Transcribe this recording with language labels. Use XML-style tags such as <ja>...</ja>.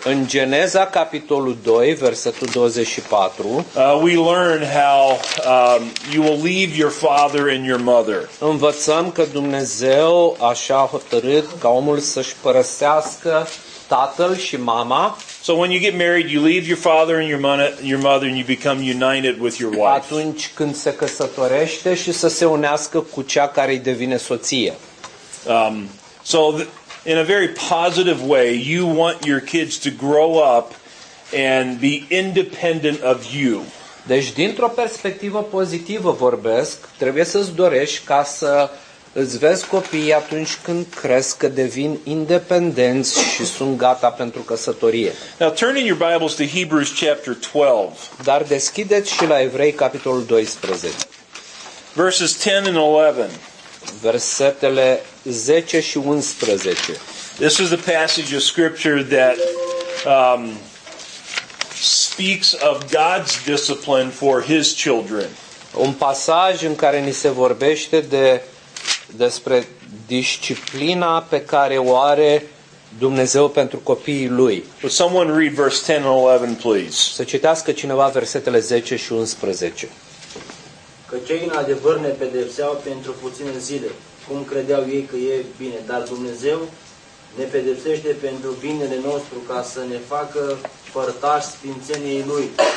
<ro>În Geneza capitolul 2 versetul 24.</ro> <en>We learn how you will leave your father and your mother.</en> <ro>Învățăm că Dumnezeu așa a hotărât ca omul să-și părăsească tatăl și mama.</ro> <en>So when you get married, you leave your father and your mother and you become united with your wife.</en> <ro>Atunci când se căsătorește și să se unească cu cea care îi devine soție.</ro> <en>In a very positive way, you want your kids to grow up and be independent of you.</en> <ro>Deci, dintr-o perspectivă pozitivă vorbesc, trebuie să-ți dorești ca să îți vezi copiii atunci când cresc că devin independenți și sunt gata pentru căsătorie.</ro> <en>Now, turn in your Bibles to Hebrews chapter 12.</en> <ro>Dar deschideți și la Evrei capitolul 12.</ro> <en>Verses 10 and 11.</en> <ro>Versetele 10 și 11.</ro> <en>This is a passage of scripture that speaks of God's discipline for his children.</en> <ro>Un pasaj în care ni se vorbește despre disciplina pe care o are Dumnezeu pentru copiii lui.</ro> <en>Would someone read verse 10 and 11, please?</en> <ro>Să citească cineva versetele 10 și 11. Că cei în adevăr ne pedepseau pentru puține zile, cum credeau ei că e bine, dar Dumnezeu ne pedepsește pentru binele nostru ca să ne facă părtași sfințeniei Lui.</ro>